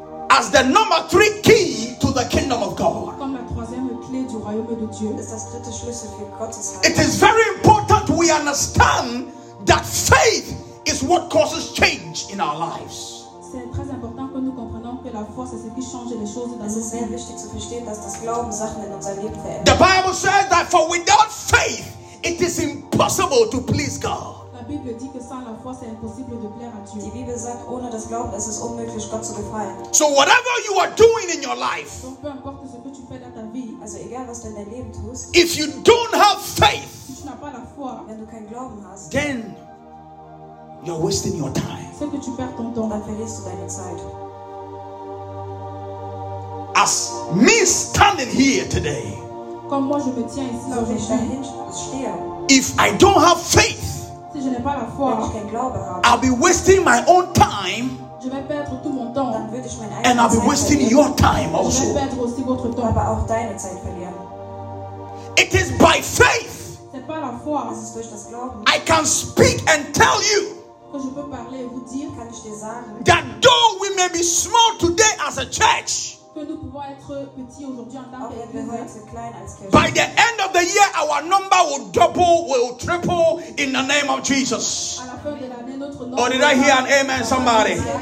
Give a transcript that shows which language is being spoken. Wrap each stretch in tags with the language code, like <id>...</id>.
<en>As the number three key to the kingdom of God. It is very important we understand that faith is what causes change in our lives. The Bible says that for without faith, it is impossible to please God.</en> <fr>Bible dit que sans la foi, c'est impossible de plaire à Dieu.</fr> <de>Die Bibel sagt, ohne das Glauben ist es unmöglich, Gott zu gefallen.</de> <en>So whatever you are doing in your life,</en> <fr>donc peu importe ce que tu fais dans ta vie,</fr> <de>also egal was du in deinem Leben tust,</de> <en>if you don't have faith,</en> <fr>si tu n'as pas la foi,</fr> <de>wenn du keinen Glauben hast,</de> <en>then you're wasting your time.</en> <fr>C'est que tu perds ton temps,</fr> <de>dann verlierst du deine Zeit.</de> <en>As me standing here today,</en> <fr>comme moi je me tiens ici là aujourd'hui,</fr> <en>if I don't have faith,</en> <fr>si je n'ai pas la foi,</fr> <en>I'll be wasting my own time,</en> <fr>je vais perdre tout mon temps,</fr> <de>dann würde ich meine</de> <en>and I'll be</en> <de>Zeit</de> <en>wasting</en> <de>verlieren.</de> <en>Your time also.</en> <fr>Je vais perdre aussi votre temps.</fr> <de>Aber auch deine Zeit verlieren.</de> <en>It is by faith,</en> <fr>c'est pas la foi,</fr> <de>es ist durch das Glauben,</de> <en>I can speak and tell you</en> <fr>que je peux parler et vous dire,</fr> <de>kann ich dir sagen,</de> <en>that though we may be small today as a church,</en> <fr>que nous pouvons être petits aujourd'hui en tant que église.</fr> <en>By the end of the year, our number will double, will triple in the name of Jesus. Or did I hear an amen, somebody?</en>